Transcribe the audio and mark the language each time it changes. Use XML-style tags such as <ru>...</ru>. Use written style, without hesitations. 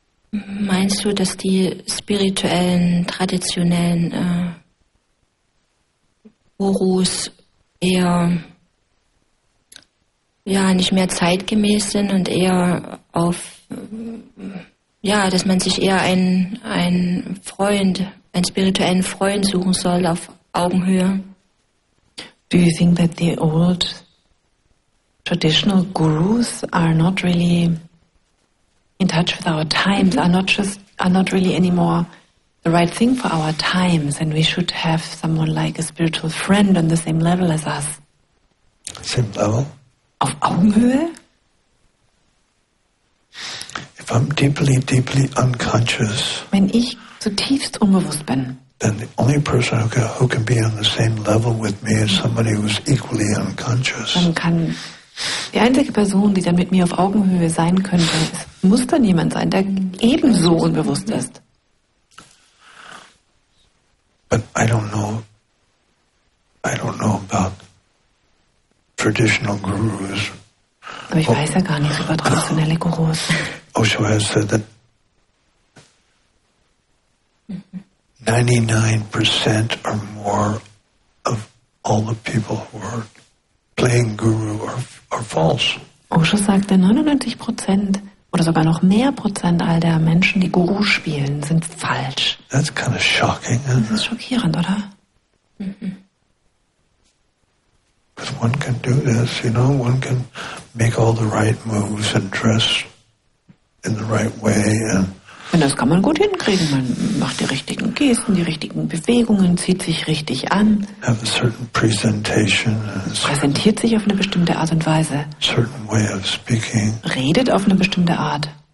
<de>Meinst du, dass die spirituellen, traditionellen Gurus eher ja, nicht mehr zeitgemäß sind und eher auf, ja, dass man sich eher einen Freund, einen spirituellen Freund suchen soll auf Augenhöhe?</de> <en>Do you think that the old traditional gurus are not really in touch with our times, are not really anymore the right thing for our times, and we should have someone like a spiritual friend on the same level as us. Same level?</en> <de>Auf Augenhöhe?</de> <en>If I'm deeply, deeply unconscious,</en> <de>wenn ich zutiefst unbewusst bin,</de> <en>then the only person who can be on the same level with me is somebody who's equally unconscious.</en> <de>Dann kann die einzige Person, die dann mit mir auf Augenhöhe sein könnte, muss dann jemand sein, der ebenso unbewusst ist.</de> <en>But I don't know about traditional gurus.</en> <de>Aber ich weiß ja gar nicht über traditionelle Gurus.</de> <en>Osho has said that 99% or more of all the people who are playing guru are false.</en> <de>Osho sagte, 99% oder sogar noch mehr Prozent all der Menschen, die Guru spielen, sind falsch.</de> <en>That's kind of shocking, isn't it?</en> <de>Das ist schockierend, oder?</de> <en>Because one can do this, you know, one can make all the right moves and dress in the right way.</en> <de>Und das kann man gut hinkriegen. Man macht die richtigen Gesten, die richtigen Bewegungen, zieht sich richtig an.</de> <en>Have a certain presentation.</en> <de>Präsentiert sich auf eine bestimmte Art und Weise.</de> <en>Certain way of speaking.</en> <de>Redet auf eine bestimmte Art.</de>